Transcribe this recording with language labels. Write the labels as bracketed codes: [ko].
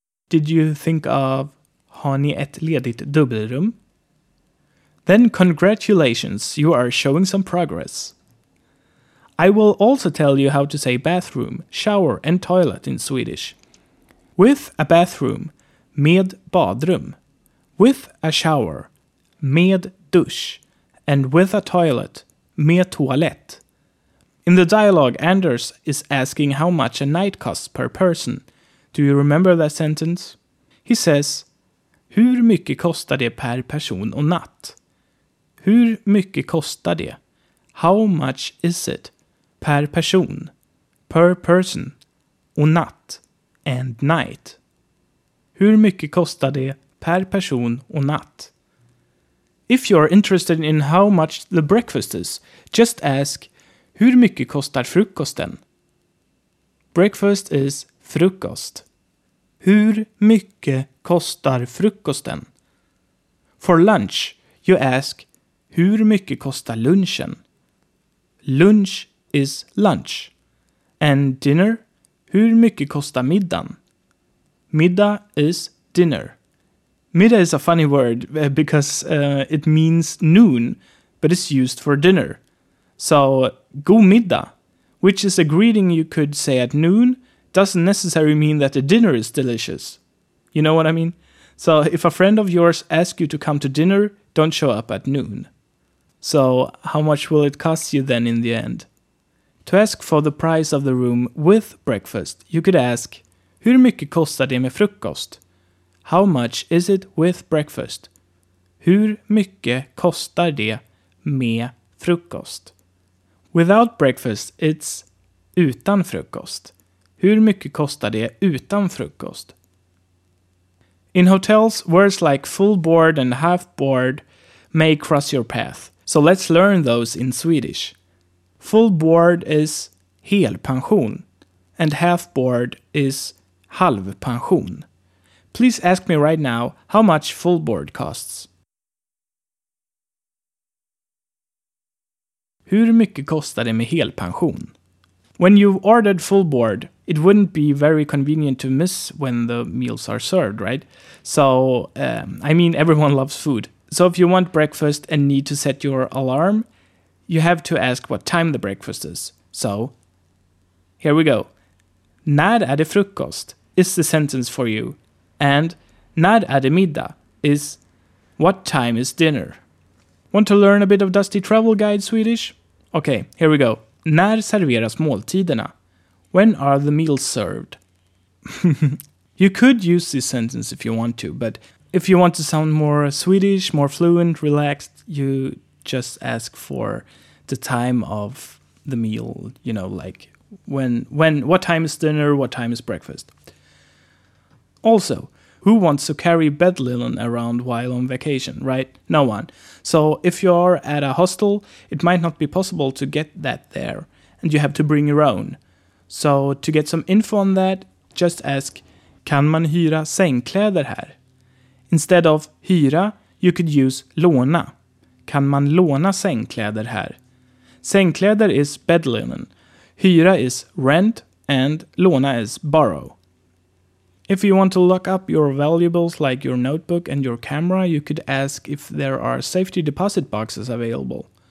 [sv] Did you think of har ni ett ledigt dubbelrum? [en] Then congratulations, you are showing some progress. I will also tell you how to say bathroom, shower and toilet in Swedish. With a bathroom, med badrum. With a shower, med dusch. And with a toilet, med toalett. In the dialogue, Anders is asking how much a night costs per person. Do you remember that sentence? He says, hur mycket kostar det per person och natt? [sv] Hur mycket kostar det? How much is it? Per person. Per person. Och natt. And night. Hur mycket kostar det per person och natt? [en] If you are interested in how much the breakfast is, just ask, hur mycket kostar frukosten? [sv] Breakfast is frukost. Hur mycket kostar frukosten? [en] For lunch, you ask, hur mycket kostar lunchen? Lunch is lunch. And dinner? [sv] Hur mycket kostar middagen? [en] Middag is dinner. Middag is a funny word because it means noon, but it's used for dinner. So, god middag, which is a greeting you could say at noon, doesn't necessarily mean that the dinner is delicious. You know what I mean? So, if a friend of yours asks you to come to dinner, don't show up at noon. So, how much will it cost you then in the end? To ask for the price of the room with breakfast, you could ask, hur mycket kostar det med frukost? How much is it with breakfast? [sv] Hur mycket kostar det med frukost? [en] Without breakfast, it's utan frukost. [sv] Hur mycket kostar det utan frukost? [en] In hotels, words like full board and half board may cross your path. So let's learn those in Swedish. Full board is helpension and half board is halvpension. Please ask me right now how much full board costs. [sv] Hur mycket kostar det med helpension? [en] When you've ordered full board, it wouldn't be very convenient to miss when the meals are served, right? So, I mean, everyone loves food. So if you want breakfast and need to set your alarm, you have to ask what time the breakfast is. So, here we go. När är det frukost? Is the sentence for you. And när är det middag? Is what time is dinner? Want to learn a bit of Dusty Travel Guide Swedish? Okay, here we go. [sv] När serveras måltiderna? [en] When are the meals served? You could use this sentence if you want to, but if you want to sound more Swedish, more fluent, relaxed, you just ask for the time of the meal, you know, like when what time is dinner, what time is breakfast. Also, who wants to carry bed linen around while on vacation, right? No one. So if you're at a hostel, it might not be possible to get that there, and you have to bring your own. So to get some info on that, just ask, kan man hyra sängkläder här? Instead of hyra, you could use låna. [sv] Kan man låna sängkläder här? Sängkläder is bed linen. Hyra is rent [en] and låna is borrow. If you want to lock up your valuables like your notebook and your camera, you could ask if there are safety deposit boxes available.